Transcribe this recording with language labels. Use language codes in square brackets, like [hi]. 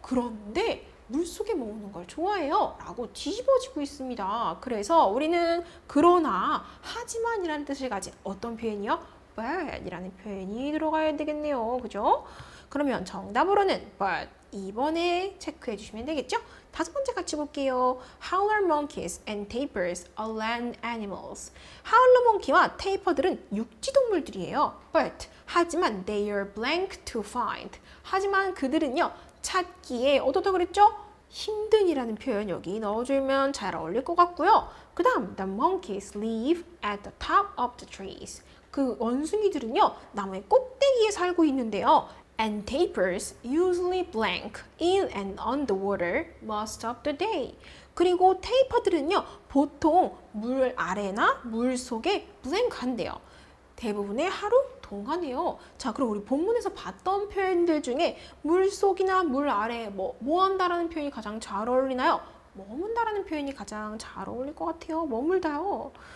[ko] 그런데 물 속에 머무는 걸 좋아해요. 라고 뒤집어지고 있습니다. 그래서 우리는 그러나, 하지만이라는 뜻을 가진 어떤 표현이요? But 이라는 표현이 들어가야 되겠네요. 그죠? 그러면 정답으로는 But 2번에 체크해 주시면 되겠죠? 다섯 번째 같이 볼게요. [en] How are monkeys and tapirs are land animals? How are monkey와 tapir들은 [ko] 육지 동물들이에요. [en] But [ko] 하지만 [en] they are blank to find. [ko] 하지만 그들은요, 찾기에 어떻다 그랬죠? 힘든 이라는 표현 여기 넣어주면 잘 어울릴 것 같고요. 그 다음 [en] the monkeys live at the top of the trees. [ko] 그 원숭이들은요, 나무의 꼭대기에 살고 있는데요. [en] And tapirs, usually blank, in and on the water, most of the day. [ko] 그리고 테이퍼들은요, 보통 물 아래나 물 속에 blank한대요. 대부분의 하루 동안해요. 자, 그럼 우리 본문에서 봤던 표현들 중에 물 속이나 물 아래 뭐한다라는 표현이 가장 잘 어울리나요? 머문다라는 표현이 가장 잘 어울릴 것 같아요. 머물다요.